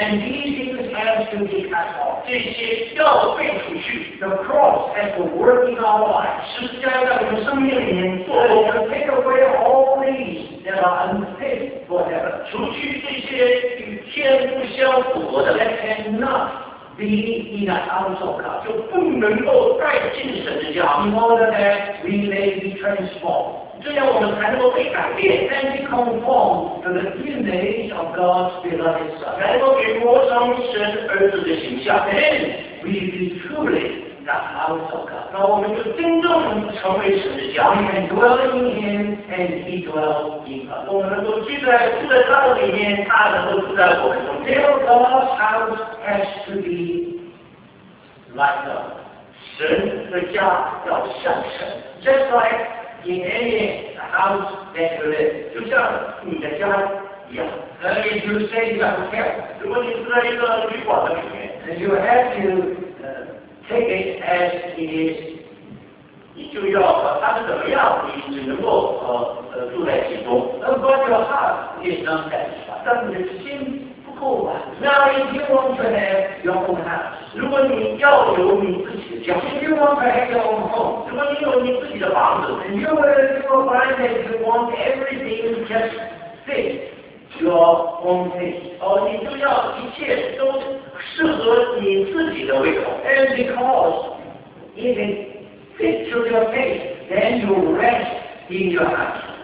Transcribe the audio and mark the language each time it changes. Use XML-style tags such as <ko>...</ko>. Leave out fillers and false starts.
<en>and these things have to be cut off.</en> <zh>这些要被除去。</zh> <en>The cross has to work in our lives.</en> <zh>是加在我们生命里面做工。</zh> <en>To take away all these that are unfit for heaven.</en> <zh>除去这些与天不相符合的。</zh> <en>That cannot be in the house of God.</en> <zh>就不能够带进神的家。</zh> <en>In order that we may be transformed.</en> <zh>这样我们才能够被改变,</zh> <en>and be conformed to the image of God's beloved Son.</en> <zh>才能够给我们神儿子的形象,</zh> <en>then we be truly the house of God.</en> <zh>那我们就真正成为神的家,</zh> <en>we can dwell in Him and He dwells in us.</en> <zh>我们能够住在他的里面, 他能够住在我们中间。</zh> <en>God's house has to be like God.</en> <zh>神的家要像神,</zh> <en>just like in any house that you live,</en> <zh>就像你的家,</zh> <en>That means you say you have a character.</en> <zh>如果你是在一个律法的里面,</zh> <en>and you have to take it as it is.</en> <zh>你就要它是怎么样，你能够住在其中。</zh> <en>But your heart is not satisfied.</en> <zh>但你的心不够满。</zh> <en>Now if you want to have your own house,</en> <zh>如果你要有你自己的家,</zh> <en>if you want to have your own home,</en> <zh>如果你有你自己的房子,</zh> <en>and you will find that you want everything just fit your own taste.</en> <zh>你就要一切都适合你自己的胃口。</zh> <en>And because if it fits to your taste, then you rest in your heart.</en>